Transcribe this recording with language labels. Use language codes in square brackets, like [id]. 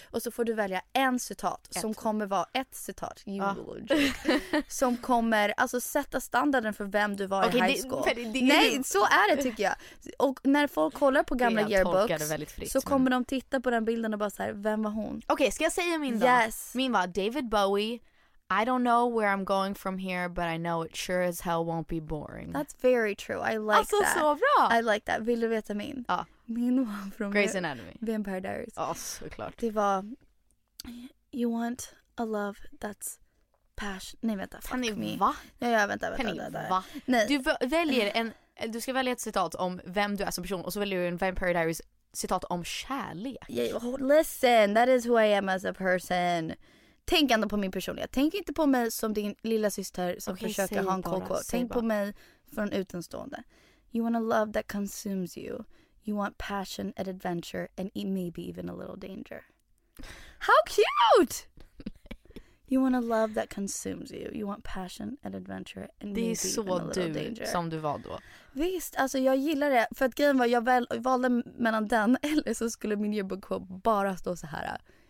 [sv] Och så får du välja en citat som kommer vara ett citat. Som kommer alltså sätta standarden för vem du var i high school. Nej, så är det tycker jag. Och när folk kollar på gamla yearbooks fritt, så kommer de titta på den bilden och bara såhär, vem var hon? Okej, ska jag säga min då? [en] Yes. [sv] Min var David Bowie. [en] I don't know where I'm going from here, but I know it sure as hell won't be boring. That's very true. I like [sv] that. Alltså, så bra! [en] I like that. [sv] Vill du veta min? Ja. Min var från Grey's Anatomy. Vampire Diaries. Ja, såklart. Det var... [en] You want a love that's passion... [sv] Nej, vänta. [en] Fuck me. [sv] Va? Ja, vänta. Du väljer en... Du ska välja ett citat om vem du är som person, och så väljer du en Vampire Diaries citat om kärlek. [en] Yeah, listen, that is who I am as a person. [sv] Tänk ändå på min personlighet. Tänk inte på mig som din lilla syster som försöker ha en koko. Tänk på mig från utomstående. [en] You want a love that consumes you. You want passion and adventure and maybe even a little danger. How cute! You want a love that consumes you. You want passion and adventure and maybe even a little danger. [sv] Det är så du som du var då. Visst, alltså jag gillar det. För att grejen var, jag valde mellan den eller så skulle min yearbook quote bara stå så här.